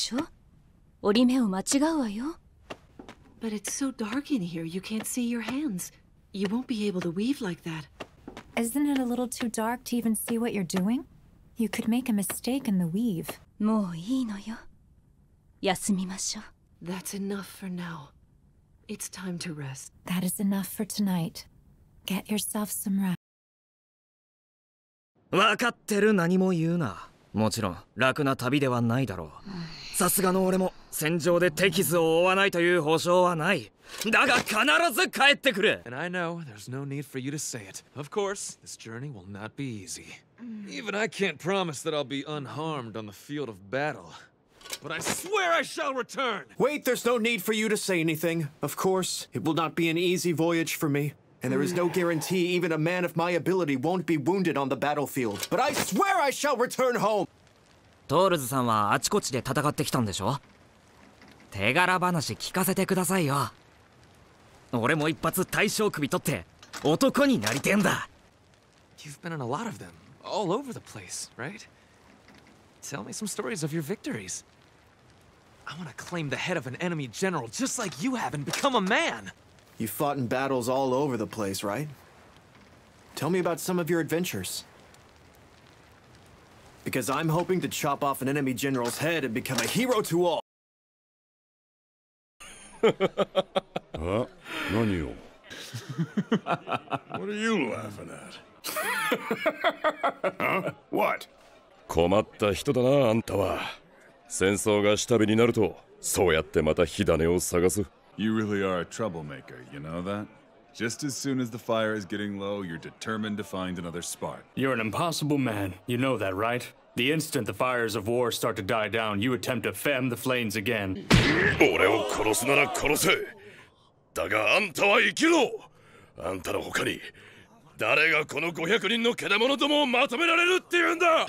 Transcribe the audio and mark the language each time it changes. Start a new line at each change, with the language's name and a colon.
Japanese: でも、もう手元が暗いでしょ?折り目を間違うわよ。
English: But it's so dark in here, you can't see your hands. You won't be able to weave like that. Isn't it a little too dark to even see what you're doing? You could make a mistake in the weave.
Japanese: もういいのよ。休みましょう。
English: That's enough for now. It's time to rest. That is enough for tonight. Get yourself some rest.
Japanese: わかってる何も言うな。もちろん、楽な旅ではないだろう。さすがの俺も戦場で手傷を負わないという保証はない。だが必ず帰ってくる。
English: And I know there's no need for you to say it. Of course, this journey will not be easy. Even I can't promise that I'll be unharmed on the field of battle. But I swear I shall return! Wait, there's no need for you to say anything. Of course, it will not be an easy voyage for me. And there is no guarantee even a man of my ability won't be wounded on the battlefield. But I swear I shall return home!
Japanese: トールズさんはあちこちで戦ってきたんでしょ?手柄話聞かせてくださいよ。俺も一発大将首取って男になりてんだ。
English: You've been in a lot of them, all over the place, right? Tell me some stories of your victories. I want to claim the head of an enemy general just like you have and become a man. You fought in battles all over the place, right? Tell me about some of your adventures. Because I'm hoping to chop off an enemy general's head and become a hero to all. Huh? What are you laughing at? Huh? What?
Japanese: 困った人だな、あんたは。戦争が下火になると、そうやってまた火種を探す。
English: You really are a troublemaker, you know that? Just as soon as the fire is getting low, you're determined to find another spark. You're an impossible man, you know that, right? The instant the fires of war start to die down, you attempt to fan the flames again.
Japanese: 俺を殺すなら殺せ。だがあんたは生きろ。あんたの他に… 誰がこの500人の獣どもをまとめられるっていうんだ!